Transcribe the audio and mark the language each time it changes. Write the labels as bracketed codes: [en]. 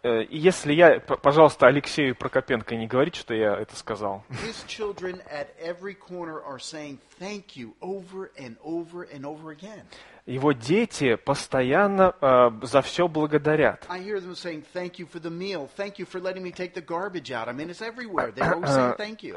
[ru] Если я, пожалуйста, Алексею Прокопенко не говорите, что я это сказал. [en] His children at every corner are saying thank you over and over and over again. [ru] Его дети постоянно за все благодарят. [en] I hear them saying thank you for the meal, thank you for letting me take the garbage out. I mean, it's everywhere. They always say thank you.